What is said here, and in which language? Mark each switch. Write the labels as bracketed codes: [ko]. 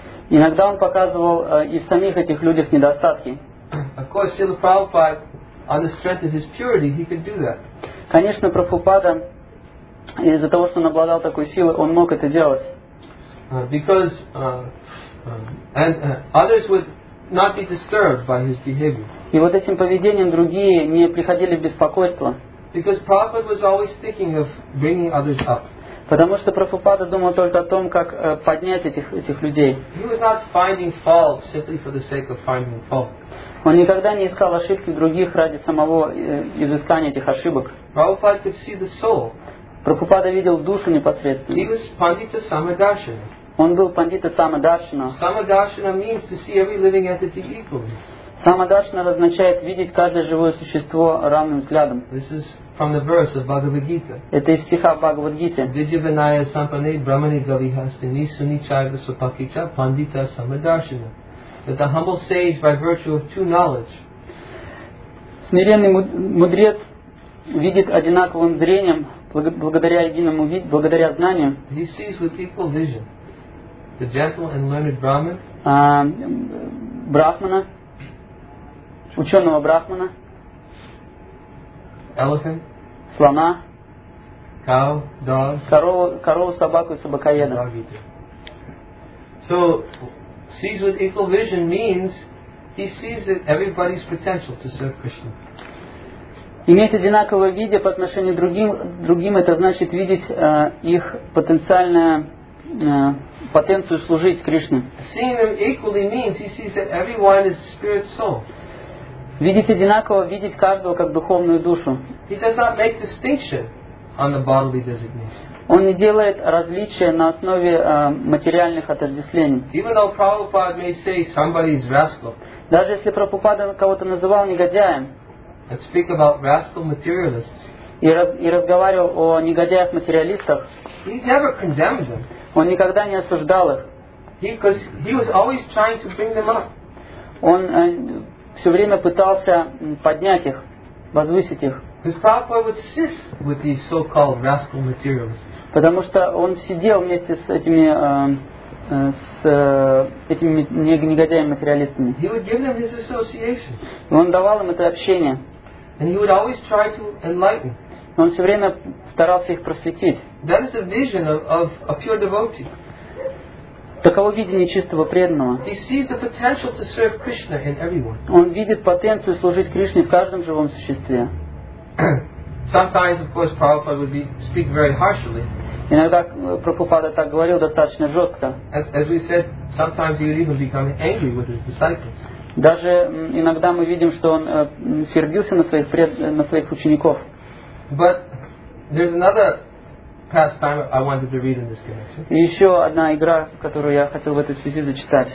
[ru] Иногда он показывал и в самих этих людях недостатки. Конечно, Прабхупада, из-за того, что он обладал такой силой, он мог это делать. [en] Others would not be disturbed by his behavior. [ru] И вот этим поведением другие не приходили в беспокойство. [en] Because Prabhupada was always thinking of bringing others up. [ru] Потому что Прабхупада думал только о том, как поднять этих людей. [en] He was not finding fault simply for the sake of finding fault. [ru] Он никогда не искал ошибки других ради самого изыскания этих ошибок. [en] Prabhupada could see the soul. [ru] Прабхупада видел душу непосредственно. [en] He was Pandita Samadarshana. [ru] Он был пандита Самадаршина. [en] Самадаршина means to see every living entity equally. [ru] Самадаршина означает видеть каждое живое существо равным взглядом. [en] This is from the verse of Bhagavad Gita. [ru] Это из стиха Бхагавад Гиты. [sa] Vijivanaya sampane brahmani galihasti nisuni chaiva supakicha pandita samadarshina. [en] That the humble sage by virtue of two knowledge. [ru] Смиренный мудрец видит одинаковым зрением благодаря единому виду, благодаря знанию. [en] He sees with equal vision. The gentle and learned Brahman. [ru] Brahmana. Ученого Брахмана. [en] Elephant. [ru] Слона. [en] Cow, dog. [ru] Корову, собаку и собакоеда. [en] So, sees with equal vision means he sees that everybody's potential to serve Krishna. [ru] Иметь одинаковое видение по отношению к другим, это значит видеть их потенциальное потенцию служить Кришне. [en] Seeing them equally means he sees that everyone is spirit soul. [ru] Видеть одинаково, видеть каждого как духовную душу. [en] He does not make distinction on the bodily designation. [ru] Он не делает различия на основе материальных отождествлений. [en] Even though Prabhupada may say somebody is rascal. [ru] Даже если Прабхупада кого-то называл негодяем. [en] And speak about rascal materialists. [ru] И разговаривал о негодяях-материалистах. [en] He never condemned them. [ru] Он никогда не осуждал их. [en] He was always trying to bring them up. [ru] Он все время пытался поднять их, возвысить их. [en] His Prabhupada would sit with these so-called rascal materialists. [ru] Потому что он сидел вместе с этими негодяями-материалистами. [en] He would give them his association. [ru] Он давал им это общение. [en] And he would always try to enlighten. [ru] Он все время старался их просветить. [en] That is the vision of a pure devotee. [ru] Таково видение чистого преданного. [en] He sees the potential to serve Krishna in everyone. [ru] Он видит потенцию служить Кришне в каждом живом существе. [en] Sometimes, of course, Prabhupada would speak very harshly. [ru] Иногда Прабхупада так говорил достаточно жестко. [en] As we said, sometimes he would even become angry with his disciples. [ru] Даже иногда мы видим, что он сердился на своих учеников. [en] But there's another pastime I wanted to read in this connection. [ru] Еще одна игра, которую я хотел в этой связи зачитать.